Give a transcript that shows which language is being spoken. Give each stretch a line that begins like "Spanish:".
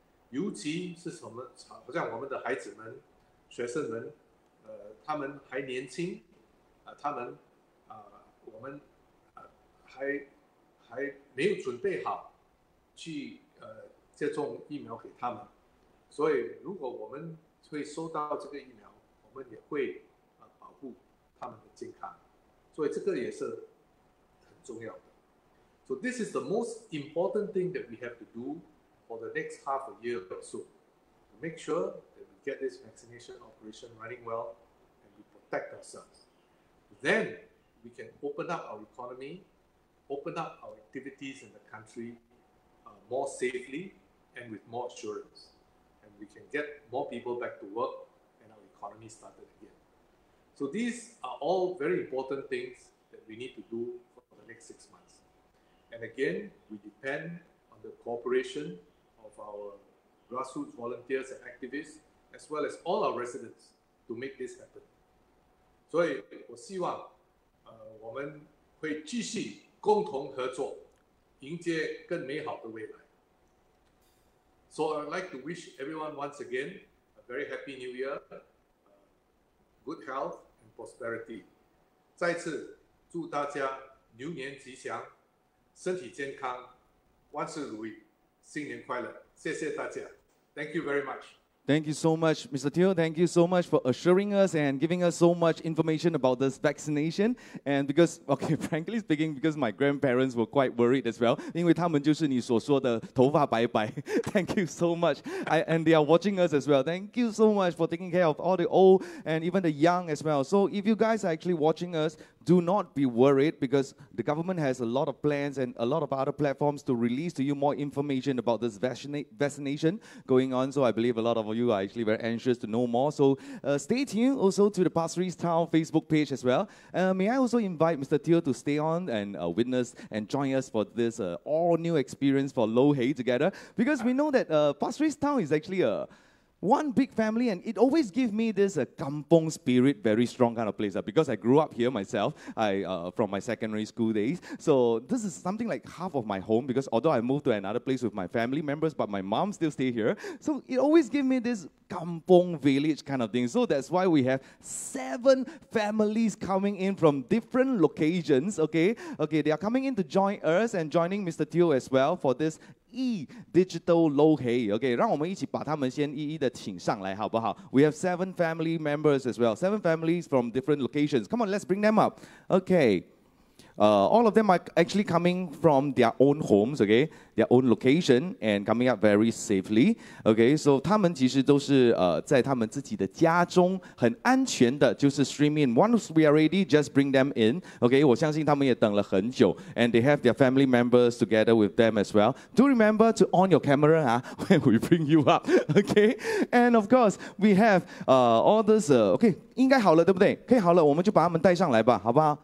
Chinese: 尤其是什么，好像我们的孩子们、学生们，他们还年轻，他们我们还没有准备好去接种疫苗给他们。所以，如果我们会收到这个疫苗，我们也会。他们的健康。所以这个也是很重要的。
English: So this is the most important thing that we have to do for the next half a year or so. To make sure that we get this vaccination operation running well and we protect ourselves. Then we can open up our economy, open up our activities in the country more safely and with more assurance. And we can get more people back to work and our economy started again. So these are all very important things that we need to do for the next 6 months. And again, we depend on the cooperation of our grassroots volunteers and activists, as well as all our residents, to make this happen.
Chinese: 所以我希望我们会继续共同合作，迎接更美好的未来。
English: So I'd like to wish everyone once again a very happy new year, good health and prosperity.
Chinese: 再次祝大家牛年吉祥，身体健康，万事如意，新年快乐，谢谢大家。
English: Thank you very much. Thank you so much, Mr. Teo. Thank you so much for assuring us and giving us so much information about this vaccination. And because, okay, frankly speaking, because my grandparents were quite worried as well.
Chinese: 因为他们就是你所说的头发白白。
English: Thank you so much. And they are watching us as well. Thank you so much for taking care of all the old and even the young as well. So if you guys are actually watching us, do not be worried because the government has a lot of plans and a lot of other platforms to release to you more information about this vaccination going on. So I believe a lot of you are actually very anxious to know more. So stay tuned also to the Pasir Town Facebook page as well. May I also invite Mr. Teo to stay on and witness and join us for this all new experience for Low Hay together. Because we know that Pasir Town is actually a one big family, and it always gives me this kampong spirit, very strong kind of place. Because I grew up here myself, from my secondary school days. So this is something like half of my home, because although I moved to another place with my family members, but my mom still stay here. So it always gives me this kampong village kind of thing. So that's why we have 7 families coming in from different locations, okay? Okay, they are coming in to join us and joining Mr. Teo as well for this e-digital Low Hay.
Chinese: Okay, 让我们一起把他们先一一的请上来好不好?
English: We have 7 family members as well. 7 families from different locations. Come on, let's bring them up. Okay. All of them are actually coming from their own homes, okay? Their own location and coming up very safely.
Chinese: Okay, so 他们其实都是在他们自己的家中很安全的就是
English: stream in. Once we are ready, just bring them in. Okay,
Chinese: 我相信他们也等了很久
English: and they have their family members together with them as well. Do remember to on your camera when we bring you up. Okay, and of course, we have all this, okay,
Chinese: 应该好了对不对? 可以好了,我们就把他们带上来吧,好不好?